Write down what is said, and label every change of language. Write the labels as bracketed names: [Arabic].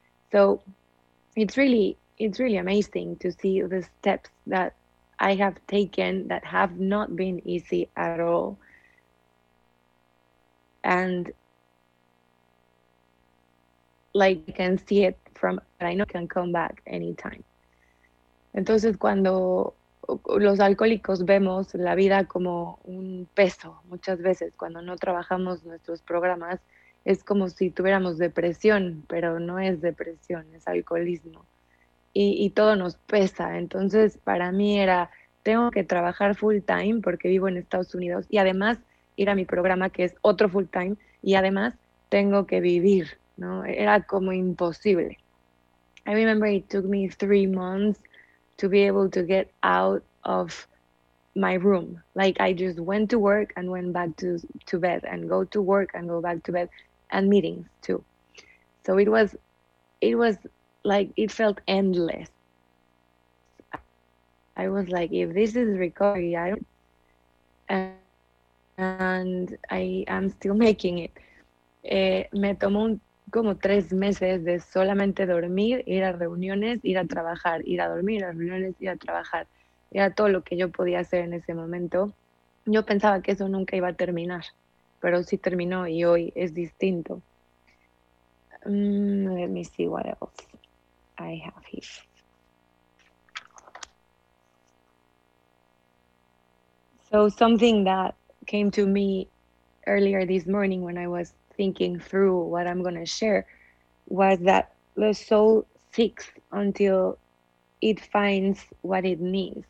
[English] So it's really amazing to see the steps that I have taken that have not been easy at all. And like you can see it from, I know it can come back anytime. [Spanish] Entonces, cuando los alcohólicos vemos la vida como un peso, muchas veces cuando no trabajamos nuestros programas, es como si tuviéramos depresión, pero no es depresión, es alcoholismo. Y todo nos pesa. Entonces, para mí era, tengo que trabajar full time porque vivo en Estados Unidos y además ir a mi programa que es otro full time y además tengo que vivir. No, era como imposible. [English] I remember it took me 3 months to be able to get out of my room. Like I just went to work and went back to bed and go to work and go back to bed and meetings too. So it was like it felt endless. I was like, if this is recovery, I don't, and I am still making it. [Spanish] Me tomó un como 3 meses de solamente dormir, ir a reuniones, ir a trabajar, ir a dormir, ir a reuniones, ir a trabajar. Era todo lo que yo podía hacer en ese momento. Yo pensaba que eso nunca iba a terminar, pero sí terminó y hoy es distinto. [English] Let me see what else I have here. So something that came to me earlier this morning when I was thinking through what I'm going to share was that the soul seeks until it finds what it needs.